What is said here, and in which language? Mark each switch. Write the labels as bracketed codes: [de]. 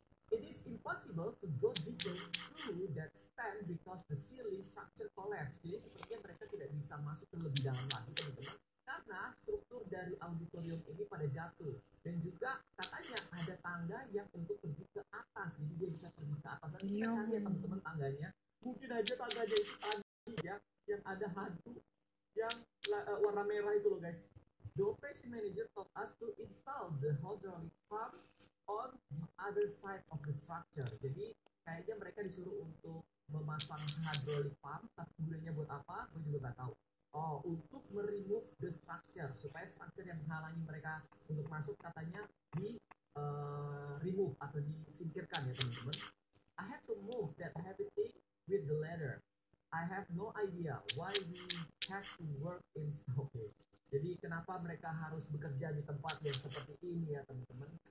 [en] It is impossible to go deeper through that stand because the ceiling structure collapsed. [id] Jadi sepertinya mereka tidak bisa masuk ke lebih dalam lagi, teman-teman. Karena struktur dari auditorium ini pada jatuh. Dan juga katanya ada tangga yang untuk pergi ke atas. Jadi dia bisa pergi ke atas. Dan kita cari ya, teman-teman, tangganya. Mungkin aja tangganya itu tadi ya, yang ada hantu yang warna merah itu loh, guys. [en] The operation manager told us to install the hydraulic pump on the other side of the structure. [id] Jadi kayaknya mereka disuruh untuk memasang hydraulic pump, tapi gunanya buat apa? Gue juga nggak tahu. Oh, untuk [en] remove the structure, [id] supaya structure yang menghalangi mereka untuk masuk katanya di remove atau disingkirkan ya teman-teman. [en] I have to move that heavy thing with the ladder. I have no idea why we have to work in okay. [id] Jadi kenapa mereka harus bekerja di tempat yang seperti ini ya teman-teman?